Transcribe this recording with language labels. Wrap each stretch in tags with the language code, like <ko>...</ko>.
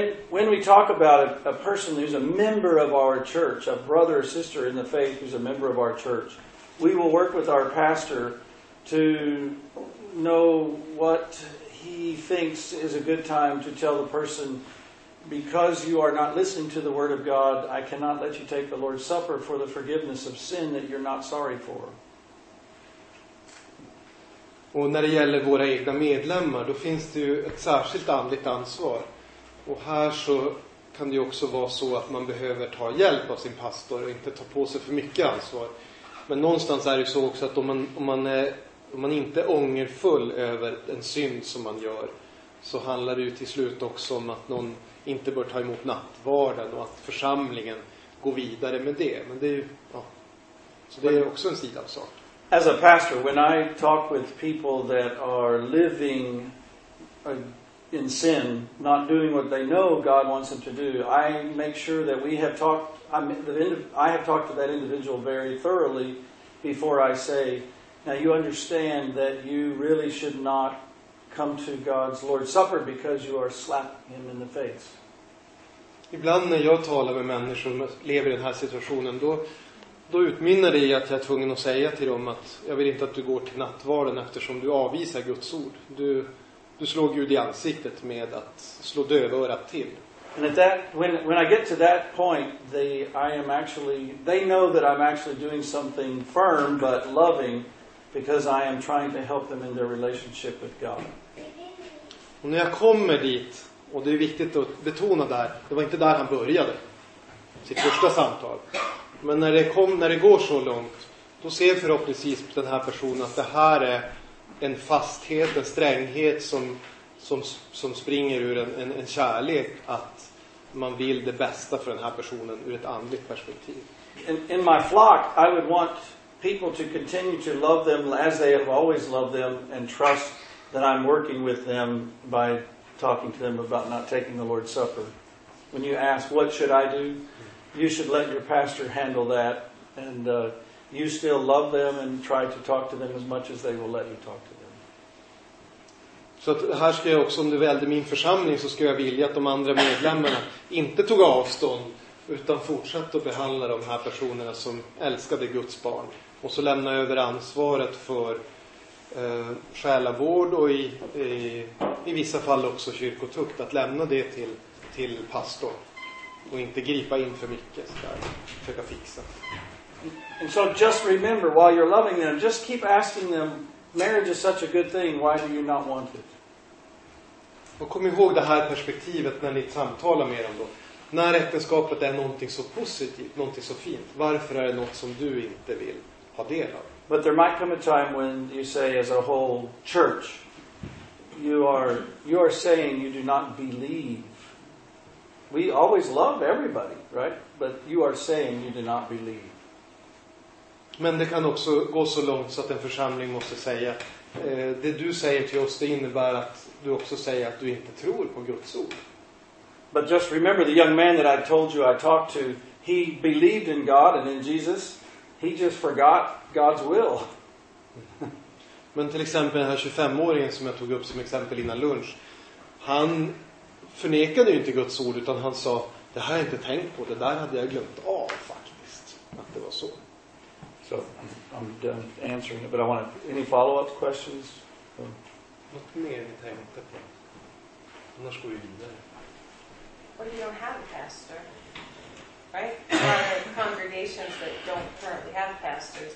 <en>When we talk about a person who's a member of our church, a brother or sister in the faith who's a member of our church, we will work with our pastor to know what he thinks is a good time to tell the person, because you are not listening to the word of God, I cannot let you take the Lord's Supper for the forgiveness of sin that you're not sorry for.</en> <sv>Och när det gäller våra egna medlemmar, då finns det ju ett särskilt andligt ansvar. Och här så kan det ju också vara så att man behöver ta hjälp av sin pastor och inte ta på sig för mycket ansvar. Men någonstans är det ju så också att om man inte är ångerfull över en synd som man gör, så handlar det ju till slut också om att någon inte bör ta emot nattvarden och att församlingen går vidare med det. Men det är ju, ja, så det är också en sida av sak.</sv> <en>As a pastor, when I talk with people that are living in sin, not doing what they know God wants them to do, I make sure that we have talked, I have talked to that individual very thoroughly before I say, now you understand that you really should not come to God's Lord's Supper because you are slapping him in the face.</en> <sv>Ibland när jag talar med människor som lever i den här situationen, då utmynnar det i att jag är tvungen att säga till dem att jag vill inte att du går till nattvarden eftersom du avvisar Guds ord. Du slår Gud i ansiktet med att slå döva örat till.</sv> <en>And at that, when I get to that point, they know that I'm actually doing something firm but loving, because I am trying to help them in their relationship with God.</en> <sv>Och när jag kommer dit, och det är viktigt att betona där, det var inte där han började sitt första samtal. Men när det går så långt, då ser förhoppningsvis den här personen att det här är en fasthet, en stränghet som springer ur en kärlek, att man vill det bästa för den här personen ur ett andligt perspektiv.</sv> <en>In my flock, I would want people to continue to love them as they have always loved them and trust that I'm working with them by talking to them about not taking the Lord's Supper. When you ask, what should I do? You should let your pastor handle that, and you still love them and try to talk to them as much as they will let you talk to them.</en> <sv>Så här ska jag också, om du välde min församling, så ska jag vilja att de andra medlemmarna inte tog avstånd, utan fortsätta att behandla de här personerna som älskade Guds barn. Och så lämna över ansvaret för själavård och i vissa fall också kyrkotukt. Att lämna det till pastor. Och inte gripa in för mycket. Så där, försöka fixa.</sv> <en>And so just remember, while you're loving them, just keep asking them, marriage is such a good thing, why do you not want it?</en> <sv>Och kom ihåg det här perspektivet när ni samtalar med dem då. När äktenskapet är någonting så positivt, någonting så fint, varför är det något som du inte vill ha del av?</sv> <en>But there might come a time when you say, as a whole church, you are saying you do not believe. We always love everybody, right? But you are saying you do not believe.</en> <sv>Men det kan också gå så långt så att en församling måste säga, det du säger till oss, det innebär att du också säger att du inte tror på Guds ord.</sv> <en>But just remember the young man that I told you I talked to, he believed in God and in Jesus. He just forgot God's will.</en> <sv>Men till exempel den här 25-åringen som jag tog upp som exempel innan lunch, han förnekade ju inte Guds ord, utan han sa, det här har jag inte tänkt på, det där hade jag glömt av faktiskt, att det var så.</sv> <en>So I'm done answering it, but I want any follow-up questions?</en> <sv>Något mer ni tänkte på? Annars går vi vidare.</sv> <en>Well, you don't have a pastor, right? There are congregations that don't currently have pastors.</en>